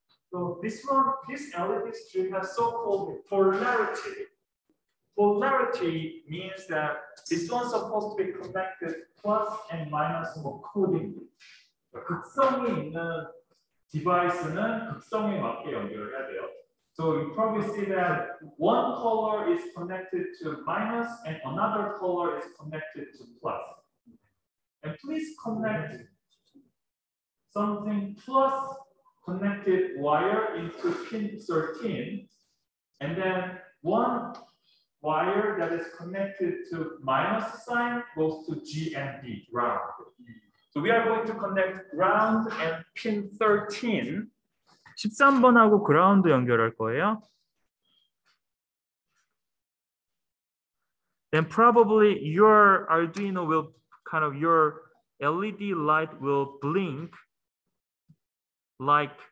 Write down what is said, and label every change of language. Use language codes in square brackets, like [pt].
[en] So this one, this LED strip has so-called polarity. Polarity means that this one's supposed to be connected plus and minus accordingly. [ko] 극성이 있는 디바이스는 극성에 맞게 연결을 해야 돼요. [en] So you probably see that one color is connected to minus and another color is connected to plus. And please connect something plus connected wire into pin 13. And then one wire that is connected to minus sign goes to GND, ground. So we are going to connect ground and pin 13. [ko] 13번하고 그라운드 연결할 거예요. [en] And probably your Arduino will kind of your LED light will blink like